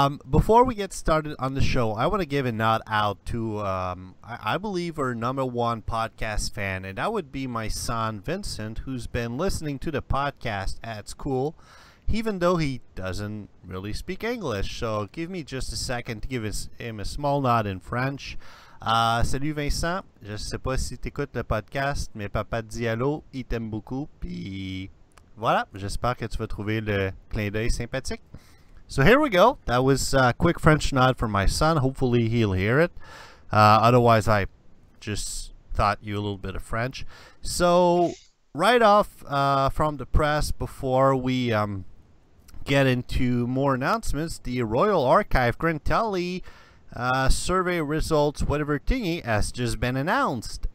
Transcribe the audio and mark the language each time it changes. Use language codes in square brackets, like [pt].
[en] Before we get started on the show, I want to give a nod out to, I believe, our number one podcast fan, and that would be my son, Vincent, who's been listening to the podcast at school, even though he doesn't really speak English. So, give me just a second to give him a small nod in French. [fr] Salut Vincent, je sais pas si t'écoutes le podcast, mais papa dit allô, il t'aime beaucoup, puis... Voilà, j'espère que tu vas trouver le clin d'œil sympathique. [en] So here we go. That was a quick French nod from my son. Hopefully he'll hear it. Otherwise, I just taught you a little bit of French. So right off from the press, before we get into more announcements, the Royal Archive Grintelli survey results, whatever thingy, has just been announced.